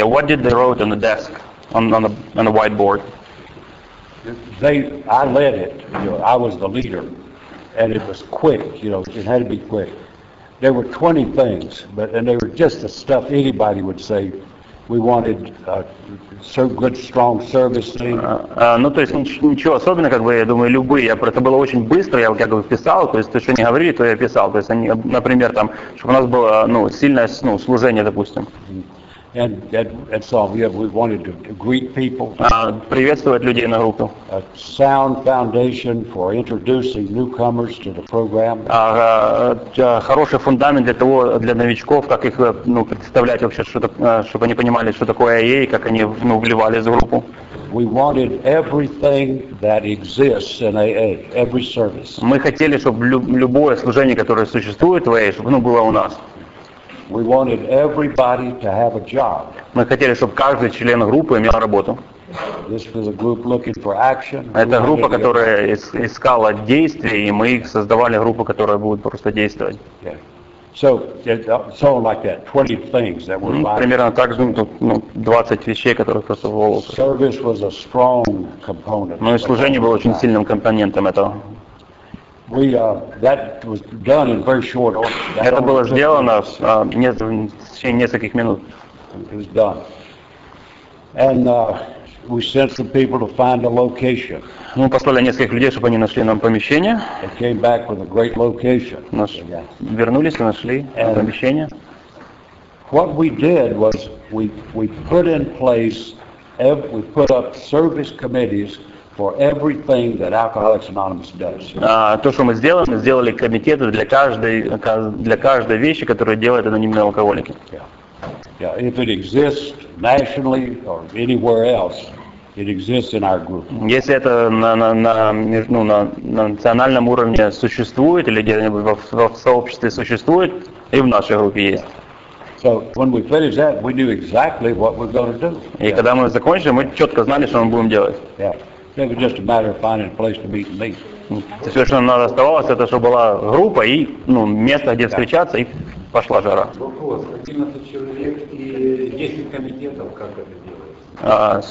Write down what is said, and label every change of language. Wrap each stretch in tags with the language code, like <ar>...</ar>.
<en>What did they wrote on the desk, on the whiteboard? I led it. You know, I was the leader, and it was quick. You know, it had to be quick. There were 20 things, and they were just the stuff anybody would say. We wanted so good, strong service team.</en> <ru>Ну, то есть ничего особенного, как бы, я думаю, любые. Это было очень быстро, я как бы писал, то есть то, что они говорили, то я писал. То есть они, например, там, чтобы у нас было, ну, сильное, ну, служение, допустим.</ru> <en>We wanted to greet people.</en> <ru>Приветствовать людей на группу.</ru> <en>A sound foundation for introducing newcomers to the program.</en> <ru>Хороший фундамент для новичков, как их, ну, представлять вообще, чтобы они понимали, что такое AA, как они, ну, вливались в группу.</ru> <en>We wanted everything that exists in AA, every service.</en> <ru>Мы хотели, чтобы любое служение, которое существует в AA, чтобы оно было у нас.</ru> <en>We wanted everybody to have a job.</en> <ru>Мы хотели, чтобы каждый член группы имел работу.</ru> <en>This was a group looking for action.</en> <ru>Это группа, которая искала действия, и мы их создавали группу, которая будет просто действовать.</ru> <en>So like that, 20 things that were.</en> <ru>Примерно так же, ну, 20 вещей, которые просто волосы.</ru> <en>Service was a strong component.</en> <ru>Ну, и служение было очень сильным компонентом этого.</ru> <en>That was done in very short order.</en> <ru>Это было сделано в течение нескольких минут.</ru> <en>It was done. And we sent some people to find a location.</en> <ru>Мы послали нескольких людей, чтобы они нашли нам помещение.</ru> <en>They came back with a great location.</en> <ru>Вернулись и нашли помещение.</ru> <en>What we did was we put in place, we put up service committees for everything that Alcoholics Anonymous does.</en> <ru>То, что мы сделали комитеты для каждой вещи, которую делают анонимные алкоголики.</ru> <en>Yeah. If it exists nationally or anywhere else, it exists in our group.</en> <ru>Если это на национальном уровне существует или где-нибудь в сообществе существует, и в нашей группе есть.</ru> <en>So when we finished that, we knew exactly what we're going to do.</en> <ru>И когда мы закончили, мы четко знали, что мы будем делать.</ru> <en>It was just a matter of finding a place to meet and meet.</en> <ru>Все, что нам оставалось, это чтобы была группа и, ну, место, где встречаться, и пошла жара. Вопрос. 11 человек и 10 комитетов, как это делается?</ru>